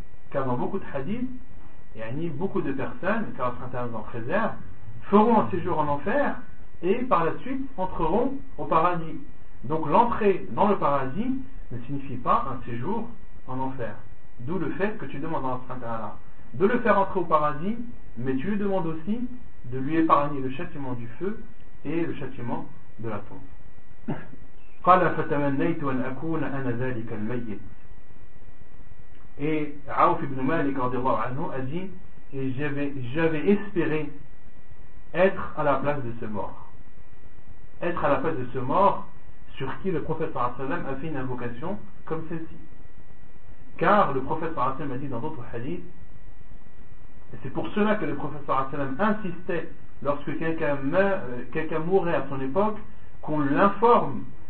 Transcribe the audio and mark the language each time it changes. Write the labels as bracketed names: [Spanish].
[French] Car dans beaucoup de hadiths, et ni beaucoup de personnes, car Allah subhanahu wa ta'ala en préserve, feront un séjour en enfer et par la suite entreront au paradis. Donc l'entrée dans le paradis ne signifie pas un séjour en enfer. D'où le fait que tu demandes à Allah subhanahu wa ta'ala de le faire entrer au paradis, mais tu lui demandes aussi de lui épargner le châtiment du feu et le châtiment de la tombe. [Arabic] قال فتمنيت أن أكون أنا ذلك الميت. [French] Et Aouf ibn Malik [Arabic] رضي الله عنه [French] a dit et j'avais espéré être à la place de ce mort. Être à la place de ce mort sur qui le prophète [Arabic] صلى الله عليه وسلم [French] a fait une invocation comme celle-ci. Car le prophète [Arabic] صلى الله عليه وسلم [French] a dit dans d'autres hadiths, et c'est pour cela que le prophète صلى الله عليه وسلم insistait lorsque quelqu'un mourait à son époque qu'on l'informe.